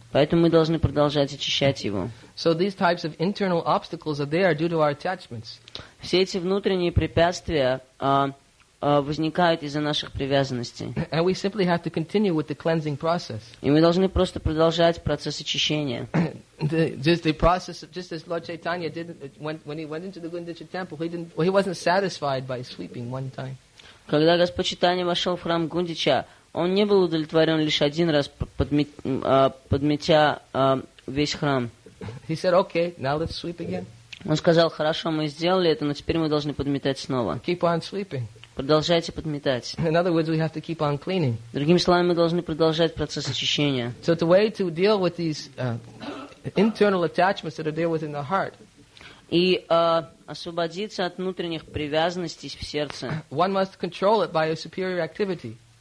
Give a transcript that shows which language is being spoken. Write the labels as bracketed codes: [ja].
[ru] Поэтому мы должны продолжать очищать его. [en] So these types of internal obstacles are there due to our attachments. [ru] Все эти внутренние препятствия возникают из-за наших привязанностей. [en] And we simply have to continue with the cleansing process. [ru] И мы должны просто продолжать процесс очищения. [en] Just the process, just as Lord Chaitanya did when he went into the Gundicha temple, he wasn't satisfied by sweeping one time. [ru] Когда Господь Читания вошел в храм Гундича, он не был удовлетворен лишь один раз, подметя весь храм. [en] He said, okay, now let's sweep again. [ru] Он сказал, хорошо, мы сделали это, но теперь мы должны подметать снова. [en] Keep on sweeping. [ru] Продолжайте подметать. [en] In other words, we have to keep on cleaning. [ru] Другими словами, мы должны продолжать процесс очищения. [en] So the way to deal with these internal attachments that are there within the heart. [ru] И освободиться от внутренних привязанностей в сердце. [en] One must control it by a superior activity.